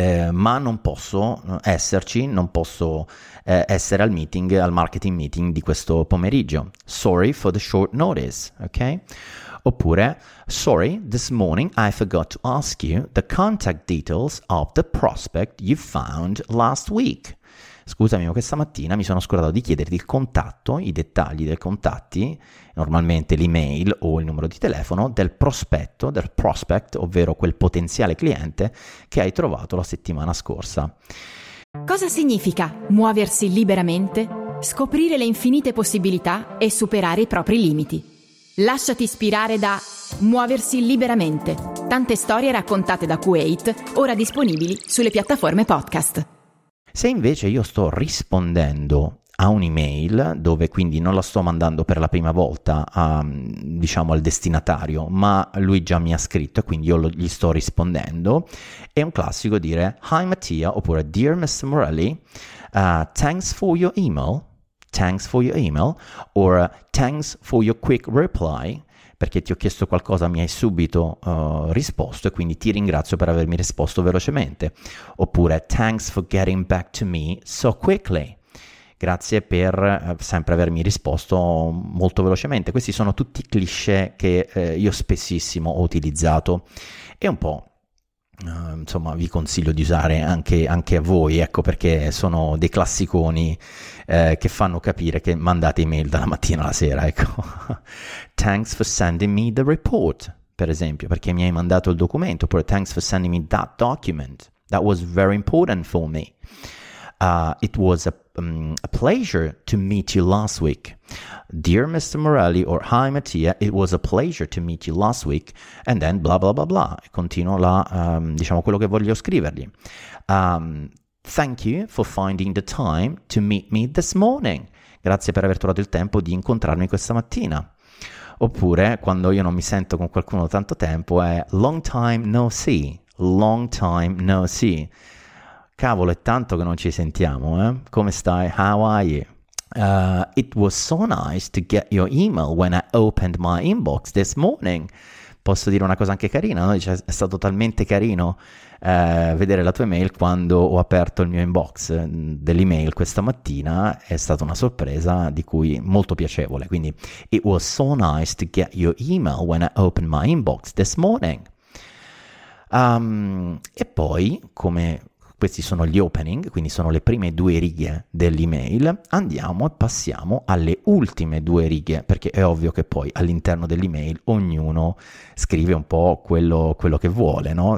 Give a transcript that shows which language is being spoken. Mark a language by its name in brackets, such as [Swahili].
[Italian] Ma non posso esserci, non posso essere al meeting, al marketing meeting di questo pomeriggio. [English] Sorry for the short notice, ok? [Italian] Oppure, [English] sorry, this morning I forgot to ask you the contact details of the prospect you found last week. [Italian] Scusami, ma questa mattina mi sono scordato di chiederti il contatto, i dettagli dei contatti, normalmente l'email o il numero di telefono, del prospetto, del prospect, ovvero quel potenziale cliente che hai trovato la settimana scorsa. Cosa significa muoversi liberamente? Scoprire le infinite possibilità e superare i propri limiti. Lasciati ispirare da Muoversi liberamente. Tante storie raccontate da Kuwait, ora disponibili sulle piattaforme podcast. Se invece io sto rispondendo a un'email, dove quindi non la sto mandando per la prima volta a, diciamo, al destinatario, ma lui già mi ha scritto e quindi io gli sto rispondendo, è un classico dire Hi Mattia, oppure [English] Dear Mr. [Italian] Morelli, [English] thanks for your email, or thanks for your quick reply, [Italian] perché ti ho chiesto qualcosa, mi hai subito risposto e quindi ti ringrazio per avermi risposto velocemente. Oppure, [English] thanks for getting back to me so quickly. [Italian] Grazie per sempre avermi risposto molto velocemente. Questi sono tutti cliché che io spessissimo ho utilizzato e un po', insomma, vi consiglio di usare anche a voi, ecco, perché sono dei classiconi che fanno capire che mandate email dalla mattina alla sera, ecco. [English] Thanks for sending me the report, [Italian] per esempio, perché mi hai mandato il documento. Oppure [English] thanks for sending me that document, that was very important for me. It was a pleasure to meet you last week. Dear Mr. Morelli, or hi Mattia, it was a pleasure to meet you last week. And then blah blah blah blah. [Italian] Continuo la, diciamo, quello che voglio scrivergli. [English] Thank you for finding the time to meet me this morning. [Italian] Grazie per aver trovato il tempo di incontrarmi questa mattina. Oppure, quando io non mi sento con qualcuno da tanto tempo, è [English] long time no see. Long time no see. [Italian] Cavolo, è tanto che non ci sentiamo, eh? Come stai? [English] How are you? It was so nice to get your email when I opened my inbox this morning. [Italian] Posso dire una cosa anche carina, no? Dice, è stato talmente carino vedere la tua email quando ho aperto il mio inbox dell'email questa mattina. È stata una sorpresa di cui molto piacevole. Quindi, [English] it was so nice to get your email when I opened my inbox this morning. [Italian] E poi, come questi sono gli opening, quindi sono le prime due righe dell'email, andiamo e passiamo alle ultime due righe, perché è ovvio che poi all'interno dell'email ognuno scrive un po' quello che vuole, no?